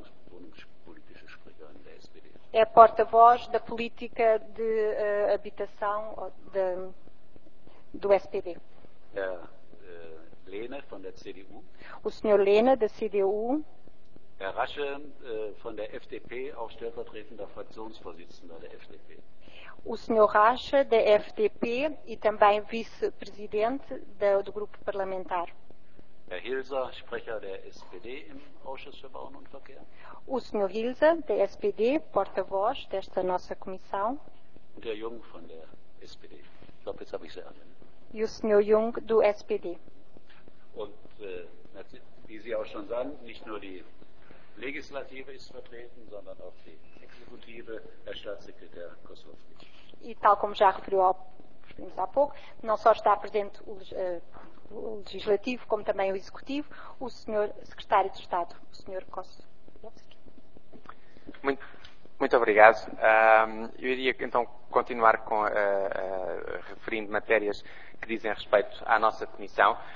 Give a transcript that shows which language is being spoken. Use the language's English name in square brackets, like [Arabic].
[German] Wohnungspolitische Sprecherin der SPD. [Portuguese] É porta-voz da política de habitação, de... do SPD. [German] Herr Lehne von der CDU. [Portuguese] O Sr. Lehne, da CDU. [German] Herr Rasche von der FDP, auch stellvertretender Fraktionsvorsitzender der FDP. [Portuguese] O Sr. Rasche, da FDP, e também vice-presidente do grupo parlamentar. [German] Herr Hilser, Sprecher der SPD im Ausschuss für Bauen und Verkehr. [Portuguese] O Sr. Hilser, da SPD, porta-voz desta nossa comissão. [German] Und Herr Jung von der SPD. Ich glaube, jetzt habe ich sie alle. [Portuguese] E o Sr. Jung, do SPD. [German] Und wie Sie auch schon sagen, nicht nur die Legislative ist vertreten, sondern auch die Exekutive, Herr Staatssekretär Kosowski. [Portuguese] E tal como já referiu ao referimos há pouco, não só está presente o Legislativo, como também o Executivo, o Sr. Secretário de Estado, o Sr. Kosovski. Muito obrigado. Eu iria então continuar com referindo matérias que dizem respeito à nossa Comissão.